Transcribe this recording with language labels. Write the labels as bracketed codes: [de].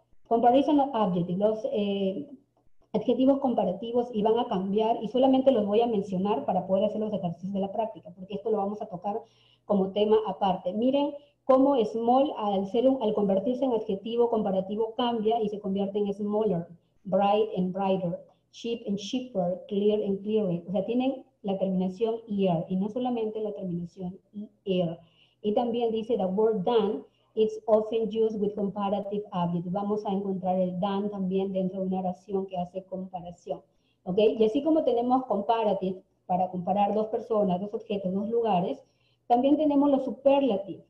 [es] Comparison adjectives, los adjetivos comparativos, y van a cambiar, y solamente los voy a mencionar para poder hacer los ejercicios de la práctica, porque esto lo vamos a tocar como tema aparte. Miren cómo small, al convertirse en adjetivo comparativo, cambia y se convierte en smaller. [en] Bright and brighter, cheap and cheaper, clear and clearer. [es] O sea, tienen la terminación ear, y no solamente la terminación ear. Y también dice, [en] the word done is often used with comparative adjectives. [es] Vamos a encontrar el done también dentro de una oración que hace comparación. ¿Ok? Y así como tenemos comparative, para comparar dos personas, dos objetos, dos lugares, también tenemos los superlative.